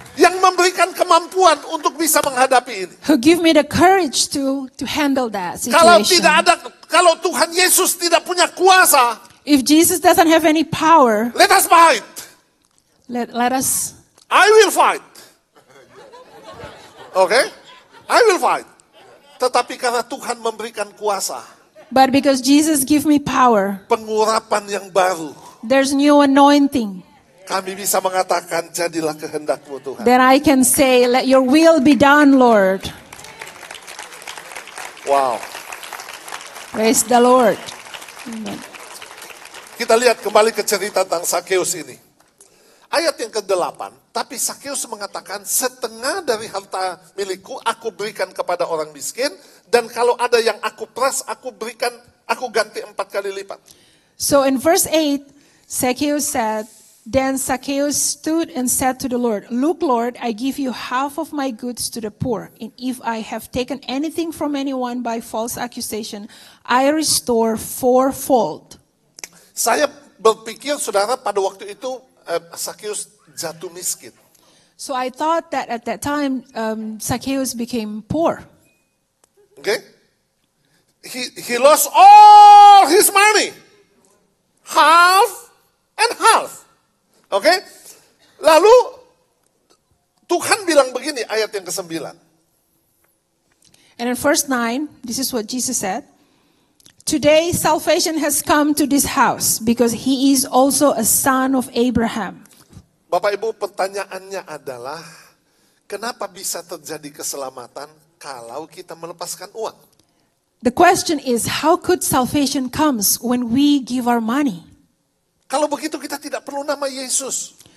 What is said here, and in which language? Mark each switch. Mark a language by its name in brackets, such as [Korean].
[Indonesian] Yang memberikan kemampuan untuk bisa menghadapi ini. [English] Who give me the courage to handle that situation. [Indonesian] Kalau tidak ada, kalau Tuhan Yesus tidak punya kuasa. [English] If Jesus doesn't have any power. Let us fight. Let us. I will fight. Okay? I will fight. [Indonesian] Tetapi karena Tuhan memberikan kuasa. [English] But because Jesus give me power. [Indonesian] Pengurapan yang baru. [English] There's new anointing. [Indonesian] Kami bisa mengatakan jadilah kehendak-Mu Tuhan. [English] Then I can say let your will be done, Lord. Wow. Praise the Lord. [Indonesian] Kita lihat kembali ke cerita tentang Zakheus ini. Ayat yang ke-8, tapi Zakheus mengatakan, setengah dari harta milikku aku berikan kepada orang miskin, dan kalau ada yang aku peras, aku berikan, aku ganti 4 kali lipat. [English] So in verse 8, Zakheus said, then Zakheus stood and said to the Lord, look, Lord, I give you half of my goods to the poor, and if I have taken anything from anyone by false accusation, I restore fourfold. [Indonesian] Saya berpikir, saudara, pada waktu itu, Zakheus jatuh miskin. [English] So I thought that at that time Zakheus became poor. Okay? He lost all his money. Half and half. Okay? [Indonesian] Lalu Tuhan bilang begini ayat yang ke-9. [English] And in verse 9, this is what Jesus said. Today salvation has come to this house because he is also a son of Abraham. [Indonesian] Bapak Ibu, pertanyaannya adalah kenapa bisa terjadi keselamatan kalau kita melepaskan uang? [English] The question is how could salvation comes when we give our money? [Indonesian] Kalau begitu kita tidak perlu nama Yesus.